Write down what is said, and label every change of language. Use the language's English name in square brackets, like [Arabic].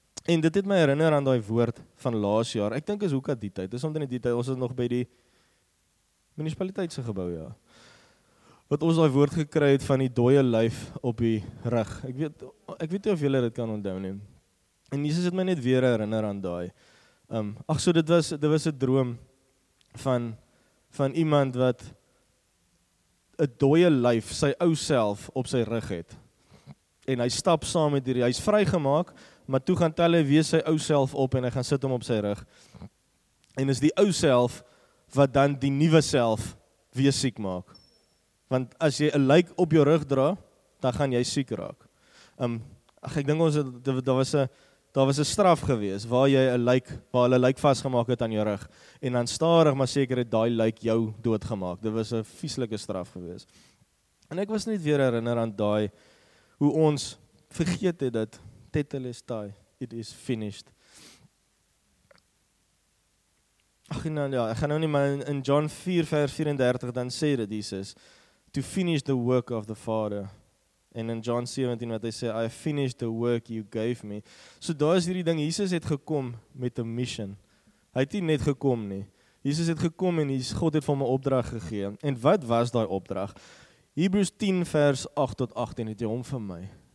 [Afrikaans] En dit het my herinner aan die woord van laas jaar. Ek dink is hoe kan die tyd? Dis omdat in die tyd, ons is nog by die munisipaliteitse gebou, ja. Wat ons die woord gekry het van die dooie lyf op die rug. Ek weet nie of julle dit kan onthou nie. En Jesus het my net weer herinner aan daai. Dit was 'n droom van iemand wat 'n dooie lyf, sy ou self op sy rug het. En hy stap saam met hierdie, hy's vrygemaak, maar toe gaan tel hy weer sy ou self op en hy gaan sit hom op sy rug. En is die ou self wat dan die nuwe self weer siek maak. Want as jy 'n lyk op jou rug dra, dan gaan jy siek raak. Ek dink ons daar was 'n straf gewees waar jy 'n lyk, waar hulle lyk vasgemaak het aan jou rug en dan stadig maar seker het daai lyk jou doodgemaak. Dit was 'n vieslike straf gewees. En ek was net weer herinner aan daai hoe ons vergeet het dat tetelestai, [English] it is finished. [Afrikaans] Ek gaan nou nie, maar in John 4 vers 34 dan sê dit Jesus, [English] to finish the work of the Father. [Afrikaans] En in John 17 wat hy sê, [English] I finished the work you gave me. [Afrikaans] So daar is hierdie ding, Jesus het gekom met 'n mission. Hy het nie net gekom nie. Jesus het gekom en God het vir my opdrag gegee. En wat was daai opdrag? Hebreus 10 vers 8 tot 18 het hy hom vir my.